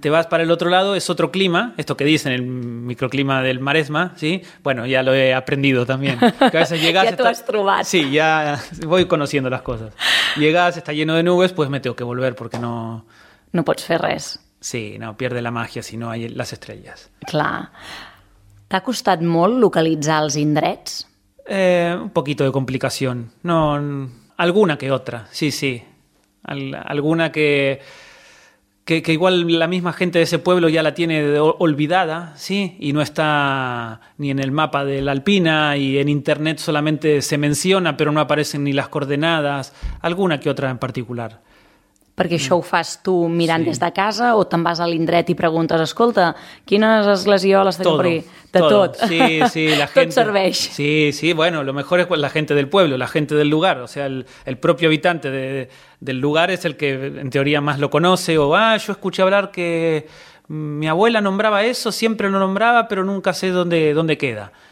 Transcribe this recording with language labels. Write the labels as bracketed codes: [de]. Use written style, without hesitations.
[es] Te vas para el otro lado, es otro clima, esto que dicen, el microclima del Maresma, ¿sí? Bueno, ya lo he aprendido también. Que a veces llegas, ya tú [ca] has trobat. [es] Sí, ya voy conociendo las cosas. Llegas, está lleno de nubes, pues me tengo que volver porque no... [ca] No pots fer res. [es] Sí, no, pierde la magia si no hay las estrellas. [ca] Clar. ¿T'ha costat molt localitzar els indrets? [es] Un poquito de complicación. No, alguna que otra, sí, sí. Alguna que igual la misma gente de ese pueblo ya la tiene olvidada, ¿sí? Y no está ni en el mapa de la Alpina y en internet solamente se menciona, pero no aparecen ni las coordenadas, alguna que otra en particular. [ca] Perquè això ho fas tu mirant, sí, des de casa o te'n vas a l'indret i preguntes, escolta, quines esglesioles tenen per aquí? [es] De todo. [ca] Tot. [es] Sí, sí, la gente. [ca] Tot serveix. [es] Sí, sí, bueno, lo mejor es la gente del pueblo, la gente del lugar. O sea, el propio habitante del lugar es el que en teoría más lo conoce. O, ah, yo escuché hablar que mi abuela nombraba eso, siempre lo nombraba, pero nunca sé dónde queda.